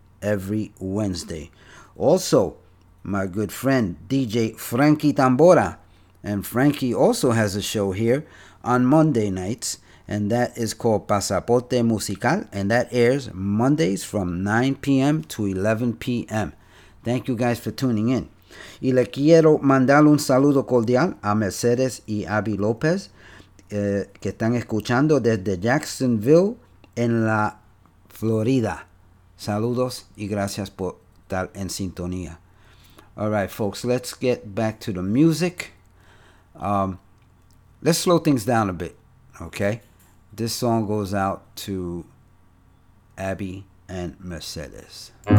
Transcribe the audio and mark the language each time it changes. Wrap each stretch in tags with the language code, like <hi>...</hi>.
<en>every Wednesday. Also, my good friend, DJ Frankie Tambora. And Frankie also has a show here on Monday nights, and that is called Pasaporte Musical, and that airs Mondays from 9 p.m. to 11 p.m. Thank you guys for tuning in.</en> <es>Y le quiero mandar un saludo cordial a Mercedes y Abby López, que están escuchando desde Jacksonville, en la Florida. Saludos y gracias por estar en sintonía.</es> <en>All right, folks, let's get back to the music. Let's slow things down a bit, okay? This song goes out to Abby and Mercedes.</en>